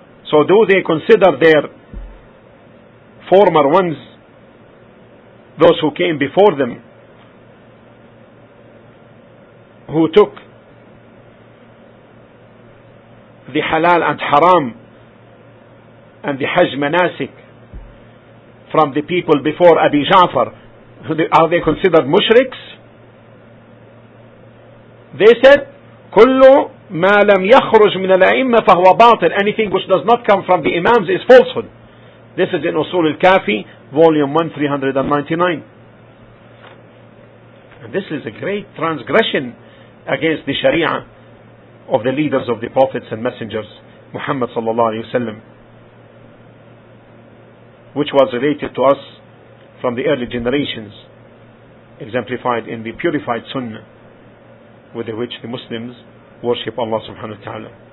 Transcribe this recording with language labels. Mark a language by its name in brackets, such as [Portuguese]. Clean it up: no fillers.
[English] So do they consider their former ones, those who came before them, who took the halal and haram and the Hajj manasik from the people before Abi Ja'far, are they considered mushriks? [Arabic] They said, كُلُّ مَا لَمْ يَخْرُجْ مِنَ الْأَئِمَّ فَهُوَ بَاطِلٌ. [English] Anything which does not come from the Imams is falsehood. This is in Usul al-Kafi, volume 1, 399. And this is a great transgression against the Sharia of the leaders of the prophets and messengers, Muhammad sallallahu alayhi wa sallam, which was related to us from the early generations, exemplified in the purified Sunnah with which the Muslims worship Allah subhanahu wa ta'ala.